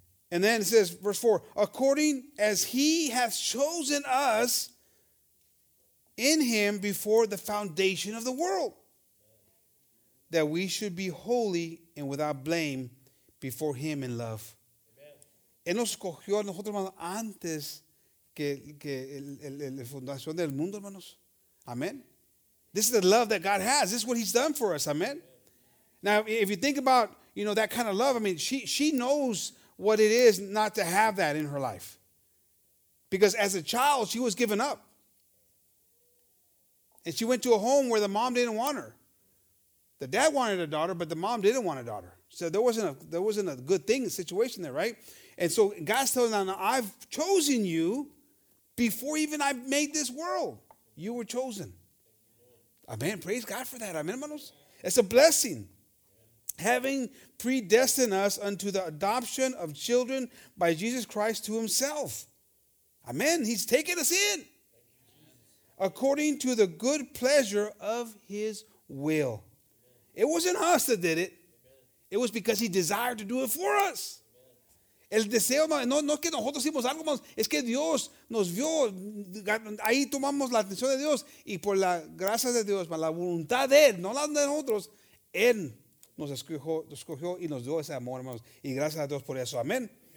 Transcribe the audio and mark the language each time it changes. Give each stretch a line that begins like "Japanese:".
English: And then it says, verse 4, according as he hath chosen us in him before the foundation of the world, that we should be holy and without blame before him in love.
Spanish: Él nos escogió a nosotros, hermanos, antes que la fundación del mundo, hermanos.
English: Amen. This is the love that God has. This is what he's done for us. Amen. Now, if you think about, you know, that kind of love, I mean, she knows what it is not to have that in her life. Because as a child, she was given up. And she went to a home where the mom didn't want her. The dad wanted a daughter, but the mom didn't want a daughter. So there wasn't a good thing, a situation there, right? And so God's telling her, now, I've chosen you before even I made this world. You were chosen. Amen. Praise God for that. Amen, hermanos. It's a blessing. Having predestined us unto the adoption of children by Jesus Christ to himself. Amen. He's taken us in. According to the good pleasure of his will. It wasn't us that did it. It was because he desired to do it for us.
Spanish: El deseo, no es que nosotros hicimos algo más, es que Dios nos vio, ahí tomamos la atención de Dios, y por la gracia de Dios, la voluntad de Él, no la de nosotros, Él nos escogió y nos dio ese amor, hermanos, y gracias a Dios por eso, amén.